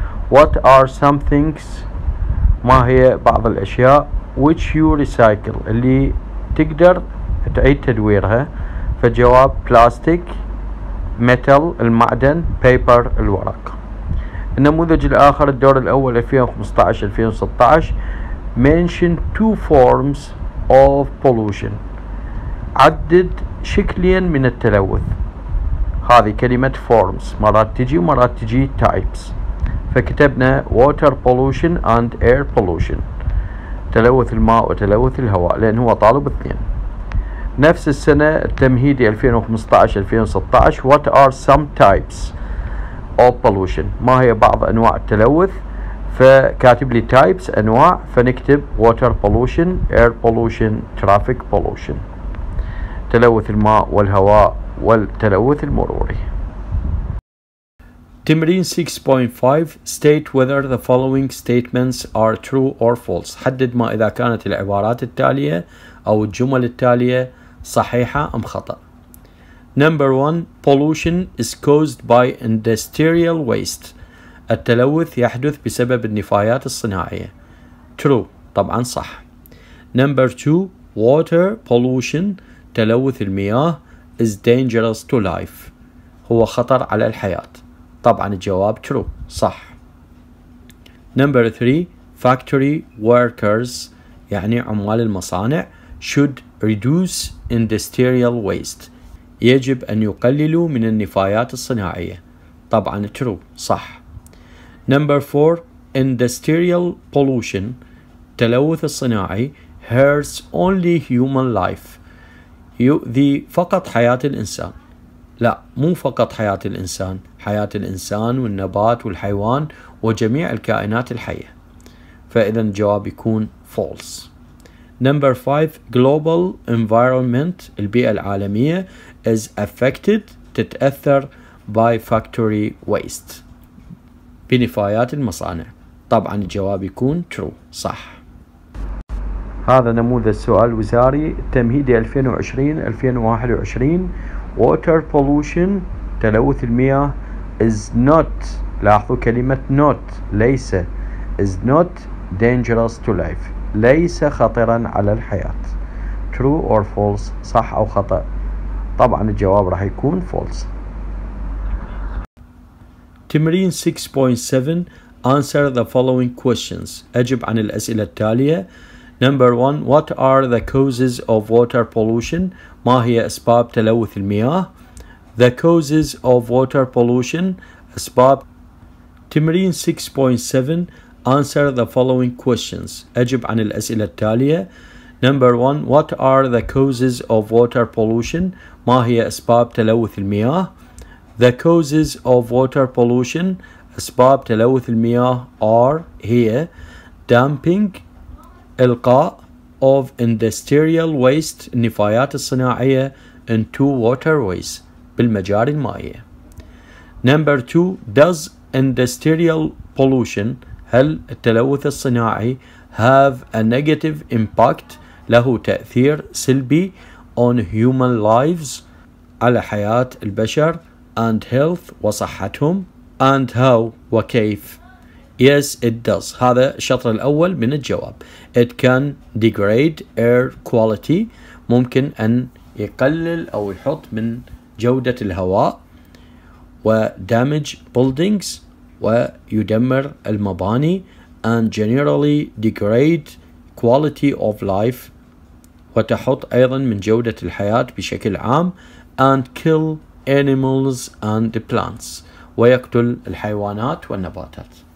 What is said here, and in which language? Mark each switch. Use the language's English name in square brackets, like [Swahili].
[English] What are some things, [Arabic] ما هي بعض الأشياء, [English] which you recycle, [Arabic] اللي تقدر تعيد تدويرها؟ [English] فجواب plastic, metal المعدن, paper الورق. [Arabic] النموذج الآخر الدور الأول 2015-2016. [English] Mention two forms of pollution, [Arabic] عدد شكليا من التلوث. هذه كلمة forms مرات تجي ومرات تجي types. فكتبنا [English] water pollution and air pollution، [Arabic] تلوث الماء وتلوث الهواء، لأن هو طالب اثنين. نفس السنة التمهيدي 2015-2016 [English] what are some types of pollution، [Arabic] ما هي بعض أنواع التلوث. فكاتب لي types أنواع، فنكتب water pollution, air pollution, traffic pollution، تلوث الماء والهواء والتلوث المروري. تمرين 6.5 [English] state whether the following statements are true or false، [Arabic] حدد ما إذا كانت العبارات التالية أو الجمل التالية صحيحة أم خطأ. [English] Number 1 pollution is caused by industrial waste، [Arabic] التلوث يحدث بسبب النفايات الصناعية. True، طبعا صح. [English] Number 2 water pollution، [Arabic] تلوث المياه [English] is dangerous to life، [Arabic] هو خطر على الحياة. طبعا الجواب true، صح. [English] Number 3 factory workers، [Arabic] يعني عمال المصانع، [English] should reduce industrial waste، [Arabic] يجب أن يقللوا من النفايات الصناعية. طبعا true، صح. [English] Number 4 industrial pollution، [Arabic] تلوث الصناعي، [English] hurts only human life، [Arabic] يؤذي فقط حياة الإنسان. لا، مو فقط حياة الإنسان، حياة الإنسان والنبات والحيوان وجميع الكائنات الحية. فإذا الجواب يكون false. [English] Number 5 global environment، [Arabic] البيئة العالمية، [English] is affected، تتأثر by factory waste، [Arabic] بنفايات المصانع. طبعا الجواب يكون true، صح. هذا نموذج السؤال الوزاري التمهيدي 2020-2021 water pollution، تلوث المياه، is not، لاحظوا كلمة not، ليس، [English] is not dangerous to life، [Arabic] ليس خطرا على الحياة. [English] true or false، [Arabic] صح أو خطأ. طبعا الجواب راح يكون false. تمرين 6.7 [English] answer the following questions، [Arabic] أجب عن الأسئلة التالية. [English] Number 1 what are the causes of water pollution، [Arabic] ما هي أسباب تلوث المياه. [English] The causes of water pollution، أسباب. [Arabic] تمرين 6.7 [English] answer the following questions، [Arabic] أجب عن الأسئلة التالية. [English] Number 1 what are the causes of water pollution، [Arabic] ما هي أسباب تلوث المياه. [English] The causes of water pollution، [Arabic] أسباب تلوث المياه [English] are، هي، dumping، إلقاء، of industrial waste، [Arabic] النفايات الصناعية، [English] into waterways، [Arabic] بالمجاري المائية. [English] Number 2 does industrial pollution، [Arabic] هل التلوث الصناعي، [English] have a negative impact، [Arabic] له تأثير سلبي، [English] on human lives، [Arabic] على حياة البشر، [English] and health، وصحتهم، and how، وكيف. Yes it does، [Arabic] هذا الشطر الأول من الجواب. [English] It can degrade air quality، [Arabic] ممكن أن يقلل أو يحط من جودة الهواء، و [English] damage buildings، [Arabic] ويدمر المباني، [English] and generally degrade quality of life، [Arabic] وتحط أيضا من جودة الحياة بشكل عام، [English] and kill animals and plants، [Arabic] ويقتل الحيوانات والنباتات.